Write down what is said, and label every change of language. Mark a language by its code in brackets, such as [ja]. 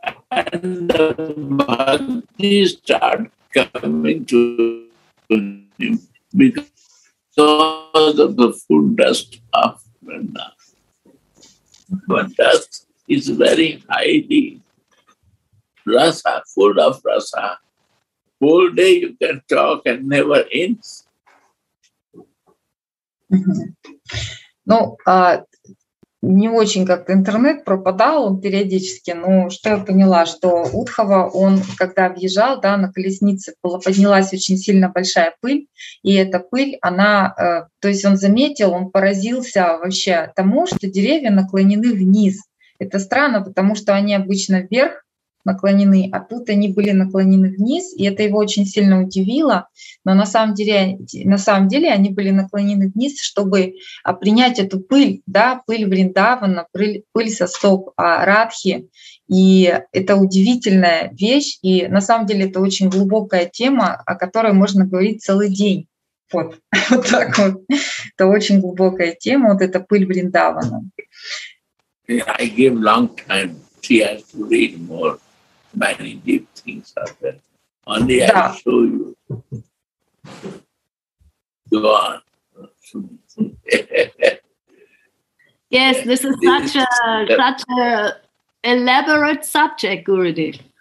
[en] and the bhakti start coming to him because of the full dust of Vrindavan. But dust is very highly rasa, full of rasa. Whole day you can talk and never ends. [ru] Ну, не очень как-то интернет пропадал он периодически, но что я поняла, что Удхава, он когда въезжал, да, на колеснице, поднялась очень сильно большая пыль, и эта пыль, она, то есть он заметил, он поразился вообще тому, что деревья наклонены вниз. Это странно, потому что они обычно вверх наклонены, а тут они были наклонены вниз, и это его очень сильно удивило, но на самом деле они были наклонены вниз, чтобы принять эту пыль, да, пыль Вриндавана, пыль со стоп Радхи, и это удивительная вещь, и на самом деле это очень глубокая тема, о которой можно говорить целый день, вот так вот, это очень глубокая тема, вот эта пыль Вриндавана. [en] I give long time, she has to read more. Many deep things are there. Only I show you. Go on. Yes, this is such a such a elaborate subject, Gurudev.